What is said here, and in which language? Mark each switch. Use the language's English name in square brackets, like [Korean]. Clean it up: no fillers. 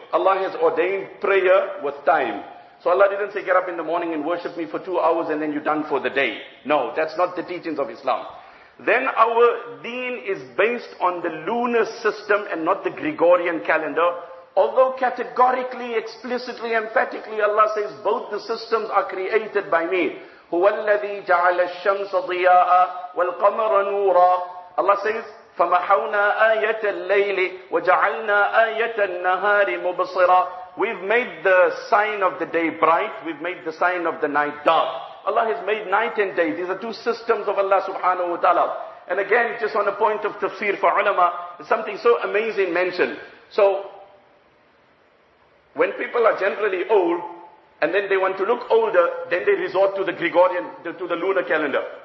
[English] Allah has ordained prayer with time. So Allah didn't say, get up in the morning and worship me for 2 hours and then you're done for the day. No, that's not the teachings of Islam. Then our deen is based on the lunar system and not the Gregorian calendar. Although categorically, explicitly, emphatically, Allah says both the systems are created by me. [Arabic] هُوَ الَّذِي جَعَلَ الشَّمْسَ ضِيَاءً وَالْقَمَرَ نُورًا [English] Allah says, [Arabic] فمحونا آية الليل وجعلنا آية النهار مبصرا. [English] We've made the sign of the day bright, we've made the sign of the night dark. Allah has made night and day. These are two systems of Allah subhanahu wa ta'ala. And again, just on a point of tafsir for ulama, something so amazing mentioned. So, when people are generally old, and then they want to look older, then they resort to the Gregorian, to the lunar calendar.